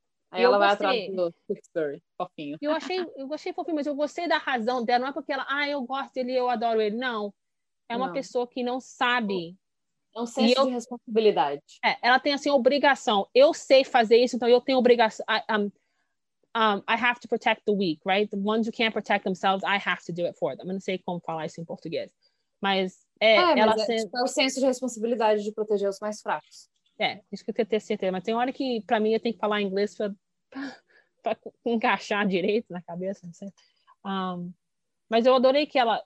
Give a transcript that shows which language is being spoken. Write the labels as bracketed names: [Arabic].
[Portuguese] Aí ela vai atrás do story, fofinho. Eu achei fofinho, mas eu gostei da razão dela, não é porque ela, eu gosto dele, eu adoro ele, não. É uma pessoa que não sabe. É um senso de responsabilidade. É, ela tem assim, obrigação. Eu sei fazer isso, então eu tenho obrigação. [English] I have to protect the weak, right? The ones who can't protect themselves, I have to do it for them. [Portuguese] Eu não sei como falar isso em português. É o senso de responsabilidade de proteger os mais fracos. É, isso que eu tenho que ter certeza. Mas tem hora que, para mim, eu tenho que falar inglês para encaixar direito na cabeça, não sei. Mas eu adorei que ela...